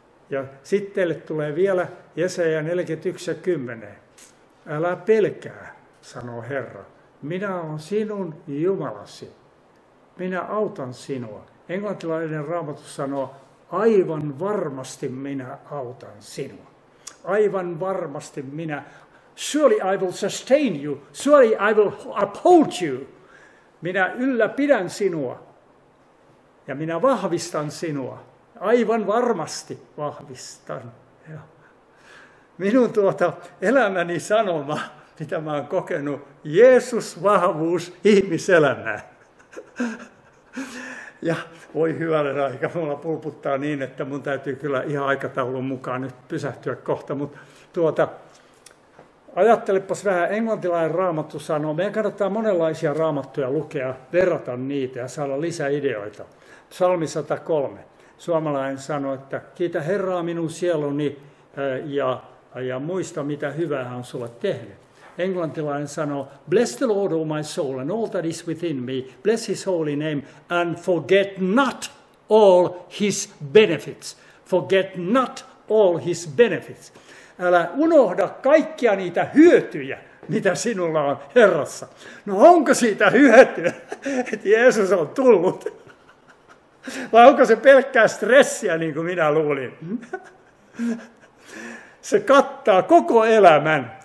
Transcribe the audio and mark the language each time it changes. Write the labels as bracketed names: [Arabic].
[Finnish] Ja sitten teille tulee vielä Jesaja 41:10. Älä pelkää, sanoo Herra. Minä olen sinun Jumalasi. minä autan sinua. Englantilainen Raamattu sanoo, aivan varmasti minä autan sinua. Aivan varmasti minä. [English] Surely I will sustain you. Surely I will uphold you. [Finnish] Minä ylläpidän sinua. Ja minä vahvistan sinua. Aivan varmasti vahvistan. Ja minun elämäni sanoma, mitä mä oon kokenut, Jeesus vahvuus ihmiselämään. Ja voi hyvällä aika, mulla pulputtaa niin, että mun täytyy kyllä ihan aikataulun mukaan nyt pysähtyä kohta. Mutta ajattelepas vähän, englantilainen Raamattu sanoo, meidän kannattaa monenlaisia raamattuja lukea, verrata niitä ja saada lisää ideoita. Psalmi 103, suomalainen sanoo, että kiitä Herraa minun sieluni ja muista mitä hyvää hän on sulle tehnyt. Englantilainen sanoo, [English] bless the Lord, O my soul, and all that is within me. Bless his holy name, and forget not all his benefits. Forget not all his benefits. [Finnish] Älä unohda kaikkia niitä hyötyjä, mitä sinulla on Herrassa. No onko siitä hyötyä, että Jeesus on tullut? Vai onko se pelkkää stressiä, niin kuin minä luulin? Se kattaa koko elämän.